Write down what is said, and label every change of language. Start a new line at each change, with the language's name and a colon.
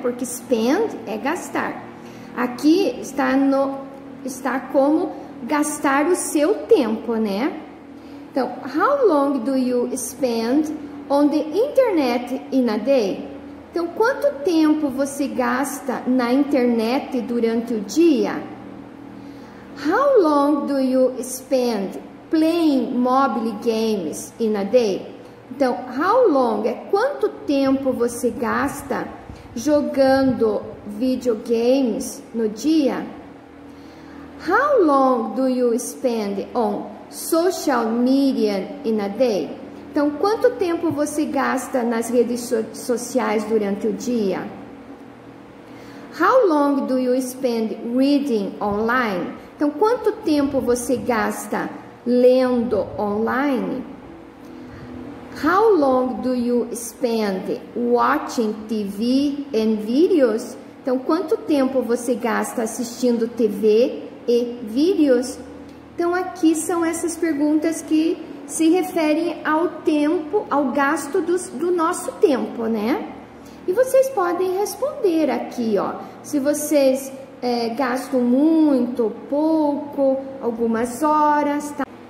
Portuguese: Porque spend é gastar. Aqui está no está como gastar o seu tempo, né? Então,
English: how long do you spend on the internet in a day?
Portuguese: Então, quanto tempo você gasta na internet durante o dia?
English: How long do you spend playing mobile games in a day?
Portuguese: Então,
English: how long
Portuguese: é quanto tempo você gasta jogando videogames no dia?
English: How long do you spend on social media in a day?
Portuguese: Então, quanto tempo você gasta nas redes sociais durante o dia?
English: How long do you spend reading online?
Portuguese: Então, quanto tempo você gasta lendo online?
English: How long do you spend watching TV and videos?
Portuguese: Então, quanto tempo você gasta assistindo TV e vídeos? Então, aqui são essas perguntas que se referem ao tempo, ao gasto do nosso tempo, né? E vocês podem responder aqui, ó. Se vocês gastam muito, pouco, algumas horas, tá?